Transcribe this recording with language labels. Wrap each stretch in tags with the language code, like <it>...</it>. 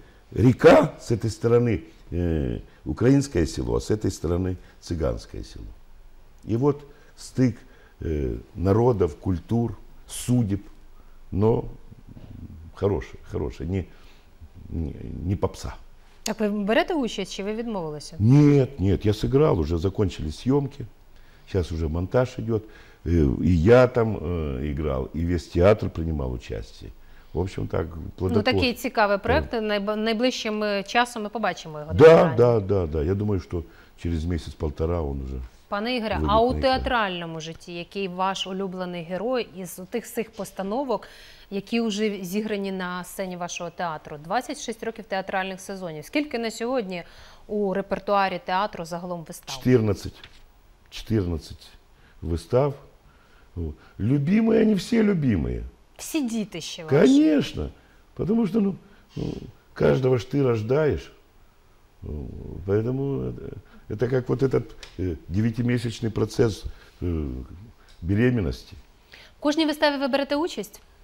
<ru>Река с этой стороны украинское село, а с этой стороны цыганское село. И вот стык народов, культур, судеб, но хорошее, не попса.</ru> <uk>Так ви берете участь, чи ви відмовилися? Ні, я зіграв, вже закінчили зйомки, зараз вже монтаж йде. І я там грав, і весь театр приймав участь.</uk> <ru>В общем, так, плодотворно.</ru> <uk>Ну, такий цікавий проєкт, найближчим часом ми побачимо його. Так, я думаю, що через місяць-півтора він вже... Пане Ігоре, а у театральному житті, який ваш улюблений герой із цих постановок, які вже зіграні на сцені вашого театру? 26 років театральних сезонів. Скільки на сьогодні у репертуарі театру загалом вистав? 14 вистав.</uk> <ru>Любимые, они все любимые.</ru> <uk>Всі діти ще ваші.</uk> <ru>Конечно, потому что каждого ж ти рождаєш. Поэтому это как вот этот 9-месячный процесс беременности.</ru> <uk>В кожній виставі ви берете участь?</uk>